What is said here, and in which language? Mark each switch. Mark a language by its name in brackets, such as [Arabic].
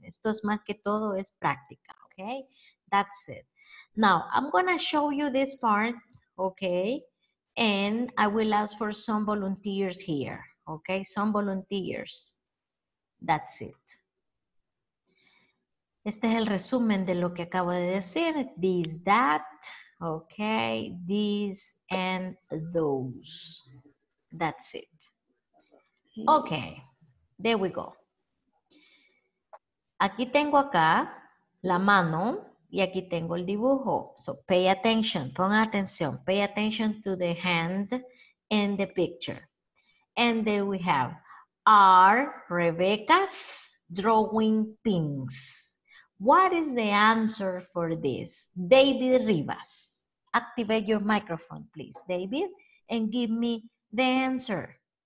[Spanish] Esto es más que todo es práctica, okay? [English] That's it. Now, I'm gonna show you this part, okay? And I will ask for some volunteers here, okay? Some volunteers. That's it. [Spanish] Este es el resumen de lo que acabo de decir. [English] This, that, okay, these, and those. That's it. Okay, there we go. [Spanish] Aquí tengo acá la mano y aquí tengo el dibujo. [English] So pay attention, [Spanish] ponga atención. [English] Pay attention to the hand in the picture. And there we have, are Rebecca's drawing pins? What is the answer for this? David Rivas, activate your microphone, please, David, and give me the answer.